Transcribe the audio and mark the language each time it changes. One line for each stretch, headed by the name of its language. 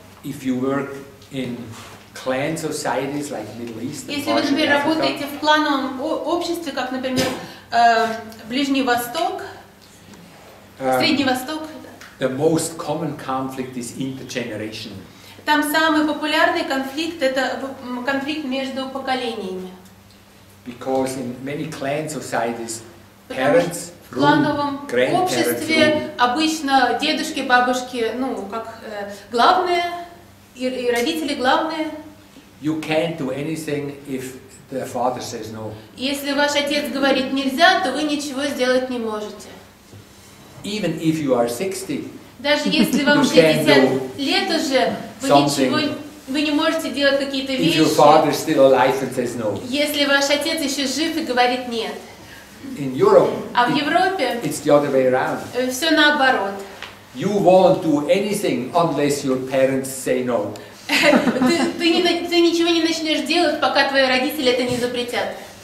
English: If you work in clan societies like Middle East.
Russian: Если вы, например, работаете в клановом обществе, как, например, Ближний Восток, Средний Восток.
English: The most common conflict is intergenerational.
Russian: Там самый популярный конфликт – это конфликт между поколениями.
English: Because in many clan societies, parents rule,
Russian: в обществе обычно дедушки, бабушки, главные, и родители главные.
English: You can't do anything if the father says no.
Russian: Если ваш отец говорит нельзя, то вы ничего сделать не можете.
English: Even if you are 60.
Russian: Даже если вам 60 лет уже, вы не можете делать какие-то вещи.
English: If your father is still alive and says no.
Russian: Если ваш отец еще жив и говорит нет.
English: In Europe,
Russian: а в Европе
English: it's the other way around.
Russian: Все наоборот.
English: You won't do anything unless your parents say no.
Russian: Ты ничего не начнешь делать, пока твои родители это не запретят.